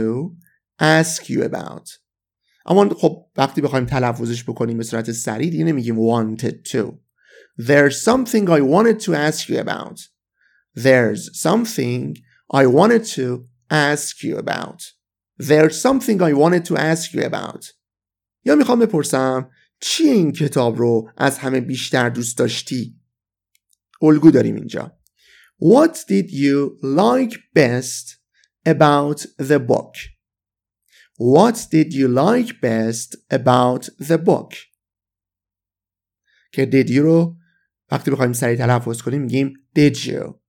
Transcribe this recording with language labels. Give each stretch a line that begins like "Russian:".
English: There's something I wanted to ask you about.
Persian: اما خب وقتی بخوایم تلفظش بکنیم به صورت سریع دیگه نمیگیم
English: wanted to. There's something I wanted to ask you about.
Persian: یا میخوام بپرسم چی این کتاب رو از همه بیشتر دوست داشتی؟ الگو داریم اینجا.
English: What did you like best about the book? What did you like best about the book?
Persian: که
English: did you
Persian: رو وقتی بخوایم سریع تلفظ کنیم میگیم did you.